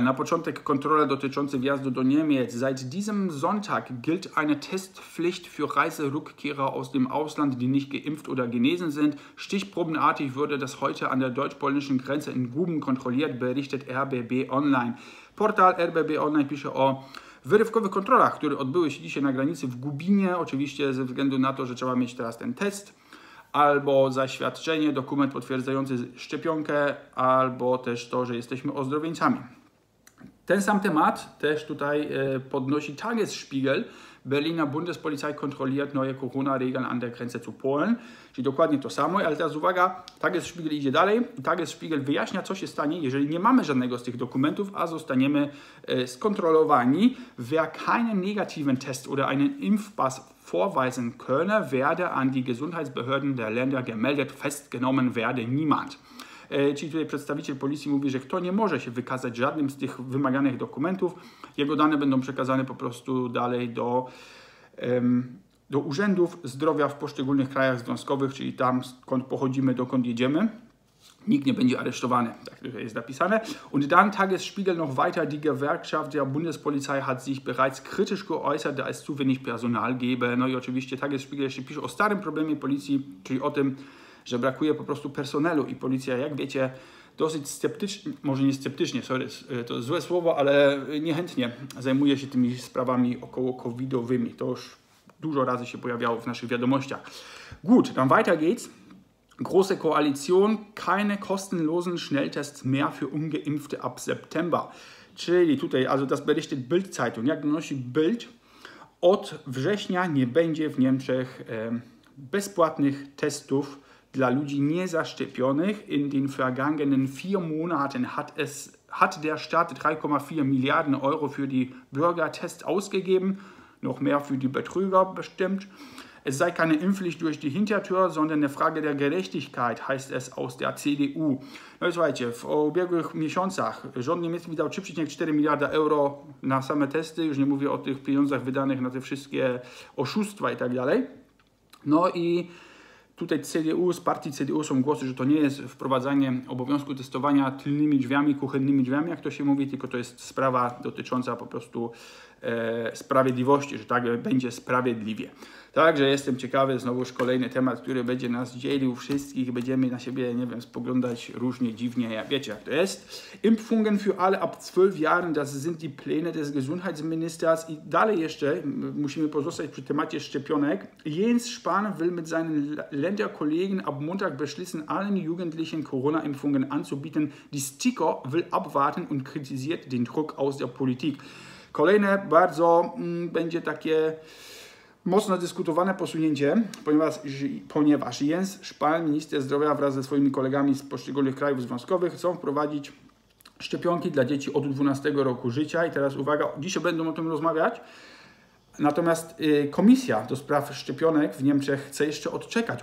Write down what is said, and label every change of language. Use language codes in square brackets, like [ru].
[pl] Na początek kontrole dotyczące wjazdu do Niemiec. [de] Seit diesem Sonntag gilt eine Testpflicht für Reiserückkehrer aus dem Ausland, die nicht geimpft oder genesen sind. Stichprobenartig wurde das heute an der deutsch-polnischen Grenze in Guben kontrolliert, berichtet RBB Online. [pl] Portal RBB Online pisze o wyrywkowych kontrolach, które odbyły się dzisiaj na granicy w Gubinie, oczywiście ze względu na to, że trzeba mieć teraz ten test. Albo zaświadczenie, dokument potwierdzający szczepionkę, albo też to, że jesteśmy ozdrowieńcami. Ten sam temat też tutaj podnosi Tagesspiegel. [de] Berliner Bundespolizei kontrolliert neue Corona-Regeln an der Grenze zu Polen. [pl] Czyli dokładnie to samo, ale teraz uwaga, Tagesspiegel idzie dalej. Tagesspiegel wyjaśnia, co się stanie, jeżeli nie mamy żadnego z tych dokumentów, a zostaniemy skontrolowani. [de] Wer keinen negativen Test oder einen Impfpass vorweisen könne, werde an die Gesundheitsbehörden der Länder gemeldet, festgenommen werde niemand. [pl] Czyli tutaj przedstawiciel policji mówi, że kto nie może się wykazać żadnym z tych wymaganych dokumentów, jego dane będą przekazane po prostu dalej do urzędów zdrowia w poszczególnych krajach związkowych, czyli tam skąd pochodzimy, dokąd jedziemy. Nikt nie będzie aresztowany, tak tutaj jest napisane. [de] Und dann Tagesspiegel noch weiter. Die Gewerkschaft der Bundespolizei hat sich bereits kritisch geäußert, da es zu wenig Personal gäbe. [pl] No i oczywiście Tagesspiegel jeszcze pisze o starym problemie policji, czyli o tym, że brakuje po prostu personelu i policja, jak wiecie, dosyć sceptycznie, może nie sceptycznie, sorry, to złe słowo, ale niechętnie zajmuje się tymi sprawami około covidowymi. To już dużo razy się pojawiało w naszych wiadomościach. [de] Gut, dann weiter geht's. Große Koalition, keine kostenlosen Schnelltests mehr für Ungeimpfte ab September. [pl] Czyli tutaj, [de] also das berichtet Bild-Zeitung. [pl] Jak donosi Bild, od września nie będzie w Niemczech bezpłatnych testów dla ludzi niezaszczepionych. [de] In den vergangenen 4 Monaten hat der Staat 3,4 Milliarden Euro für die Bürgertests ausgegeben. Noch mehr für die Betrüger bestimmt. Es sei keine Impfpflicht durch die Hintertür, sondern eine Frage der Gerechtigkeit, heißt es aus der CDU. [pl] No i słuchajcie, w ubiegłych miesiącach rząd niemiecki wydał 3,4 miliarda euro na same testy, już nie mówię o tych pieniądzach wydanych na te wszystkie oszustwa i tak dalej. No i tutaj CDU, z partii CDU są głosy, że to nie jest wprowadzanie obowiązku testowania tylnymi drzwiami, kuchennymi drzwiami, jak to się mówi, tylko to jest sprawa dotycząca po prostu sprawiedliwości, że tak będzie sprawiedliwie. Także jestem ciekawy, znowuż kolejny temat, który będzie nas dzielił wszystkich, będziemy na siebie, nie wiem, spoglądać różnie, dziwnie, jak wiecie, jak to jest. [de] Impfungen für alle ab 12 Jahren, das sind die Pläne des Gesundheitsministers. [pl] I dalej jeszcze musimy pozostać przy temacie szczepionek. [de] Jens Spahn will mit seinen Länderkollegen ab Montag beschließen, allen Jugendlichen Corona-Impfungen anzubieten. Die STIKO will abwarten und kritisiert den Druck aus der Politik. [pl] Kolejne bardzo będzie takie mocno dyskutowane posunięcie, ponieważ Jens Spahn, minister zdrowia, wraz ze swoimi kolegami z poszczególnych krajów związkowych chcą wprowadzić szczepionki dla dzieci od 12 roku życia. I teraz uwaga, dzisiaj będą o tym rozmawiać. Natomiast komisja do spraw szczepionek w Niemczech chce jeszcze odczekać.